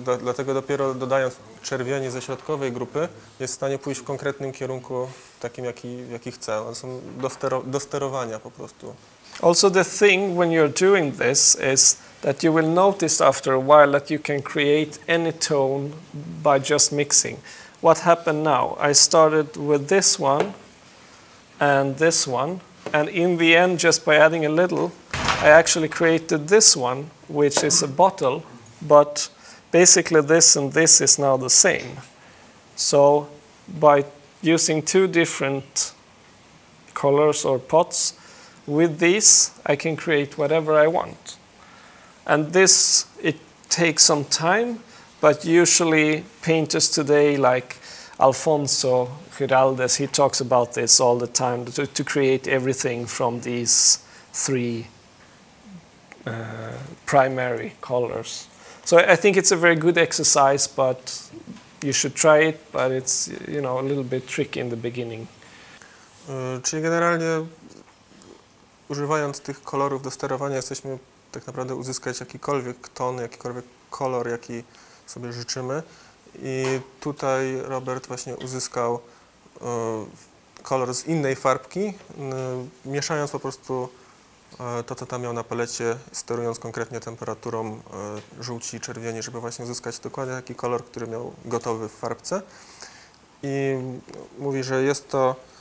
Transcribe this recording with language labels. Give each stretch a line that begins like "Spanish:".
Polish: Dlatego dopiero dodając czerwienie ze środkowej grupy, jest w stanie pójść w konkretnym kierunku, takim jaki chce. One są do sterowania po prostu.
English: Also the thing when you're doing this is that you will notice after a while that you can create any tone by just mixing. What happened now? I started with this one and this one, and in the end, just by adding a little, I actually created this one, which is a bottle, but basically this and this is now the same. So by using two different colors or pots with these, I can create whatever I want. And this, it takes some time, but usually painters today, like Alfonso Giraldes, he talks about this all the time, to create everything from these three primary colors. So I think it's a very good exercise, but you should try it, but it's, you know, a little bit tricky in the beginning.
Polish: Czyli generalnie używając tych kolorów do sterowania jesteśmy tak naprawdę uzyskać jakikolwiek ton, jakikolwiek kolor, jaki sobie życzymy. I tutaj Robert właśnie uzyskał kolor z innej farbki, mieszając po prostu to, co tam miał na palecie, sterując konkretnie temperaturą żółci i czerwieni, żeby właśnie uzyskać dokładnie taki kolor, który miał gotowy w farbce. I mówi, że jest to